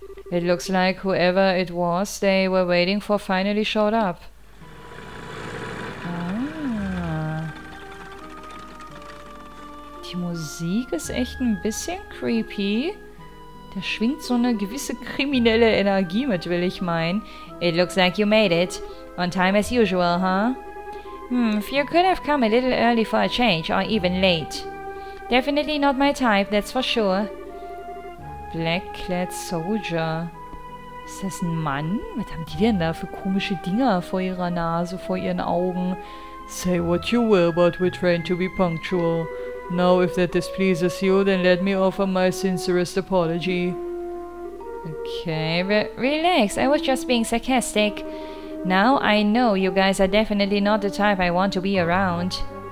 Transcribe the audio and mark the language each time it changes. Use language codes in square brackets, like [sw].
[en] It looks like whoever it was they were waiting for finally showed up. Ah. [de] Die Musik ist echt ein bisschen creepy. Da schwingt so eine gewisse kriminelle Energie mit, will ich meinen. [en] It looks like you made it. On time as usual, huh? If you could have come a little early for a change, or even late. Definitely not my type, that's for sure. Black-clad soldier. [de] Ist das ein Mann? Was haben die denn da für komische Dinger vor ihrer Nase, vor ihren Augen? [en] Say what you will, but we're trained to be punctual. Now, if that displeases you, then let me offer my sincerest apology. Okay, relax, I was just being sarcastic. Now I know you guys are definitely not the type I want to be around.